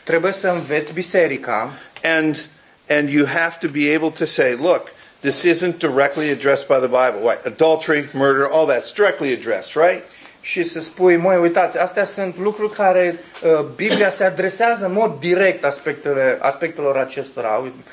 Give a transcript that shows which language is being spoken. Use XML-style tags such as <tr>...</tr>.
<ro>Trebuie să înveți biserica.</ro> <en>And you have to be able to say, look, this isn't directly addressed by the Bible. What? Adultery, murder, all that's directly addressed, right?</en> <ro>Și să spui, măi, uitați, astea sunt lucruri care Biblia se adresează în mod direct aspectelor acestora.</ro>